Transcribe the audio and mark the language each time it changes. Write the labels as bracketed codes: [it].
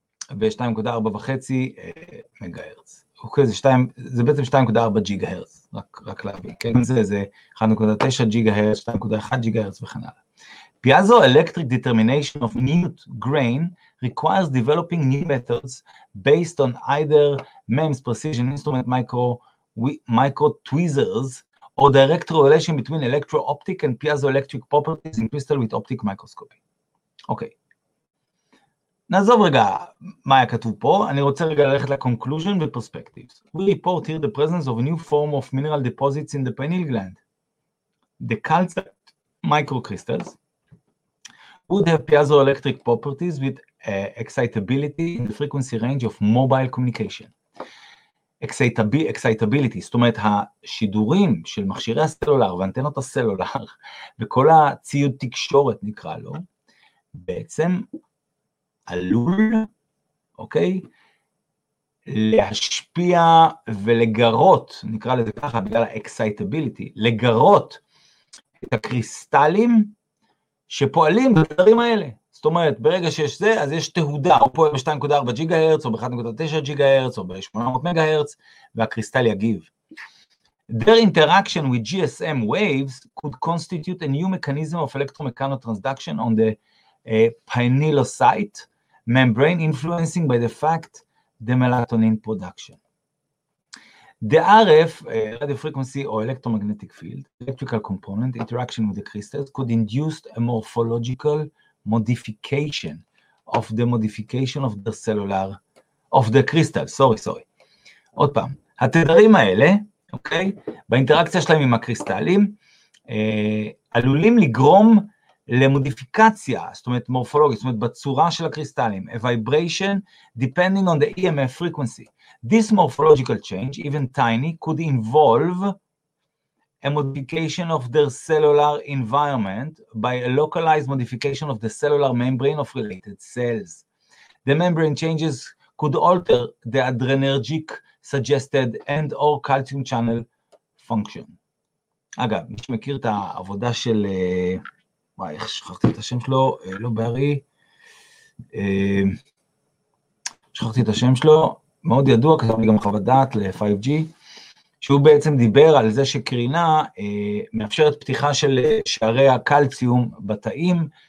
[he] ו-2.4.5 מגה-הרץ, אוקיי, זה בעצם 2.4 ג'יגה-הרץ, רק להביא, כן, זה 1.9 ג'יגה-הרץ, 2.1 ג'יגה-הרץ וכן הלאה. [en] Piezo electric determination of new grain requires developing new methods based on either MEMS precision instrument micro tweezers or direct relation between electro-optic and piezoelectric properties in crystal with optic microscopy. [he] אוקיי. נעזוב רגע מה היה כתוב פה, אני רוצה רגע ללכת ל-conclusion ו-perspectives. [en] We report here the presence of a new form of mineral deposits in the pineal gland. The calcite microcrystals would have piezoelectric properties with excitability in the frequency range of mobile communication. [he] Excitability, זאת אומרת השידורים של מכשירי הסלולר ואנטנות הסלולר וכל הציוד תקשורת נקרא לו, בעצם עלול, אוקיי, להשפיע ולגרות, נקרא לזה ככה, בגלל ה-excitability, לגרות את הקריסטלים שפועלים בדברים האלה. זאת אומרת, ברגע שיש זה, אז יש תהודה, הוא פועל ב-2.4 ג'יגה הרץ, או ב-1.9 ג'יגה הרץ, או ב-800 מגה הרץ, והקריסטל יגיב. [en] Their interaction with GSM waves could constitute a new mechanism of electromechanical transduction on the pinealocyte, membrane influencing by the fact the melatonin production. The RF, radio frequency or electromagnetic field, electrical component interaction with the crystals could induce a morphological modification of the modification of the cellular, of the crystal, sorry. [he] עוד פעם, התדרים האלה, אוקיי, באינטראקציה שלהם עם הקריסטלים, עלולים לגרום למודיפיקציה, זאת אומרת מורפולוגית, זאת אומרת בצורה של הקריסטלים, [en] a vibration depending on the EMF frequency. This morphological change, even tiny, could involve a modification of their cellular environment by a localized modification of the cellular membrane of related cells. The membrane changes could alter the adrenergic suggested and or calcium channel function. [he] אגב, מי שמכיר את העבודה של וואי, איך שכחתי את השם שלו, לא בערי, שכחתי את השם שלו, מאוד ידוע, כתב לי גם חוות דעת ל-5G, שהוא בעצם דיבר על זה שקרינה מאפשרת פתיחה של שערי הקלציום בתאים,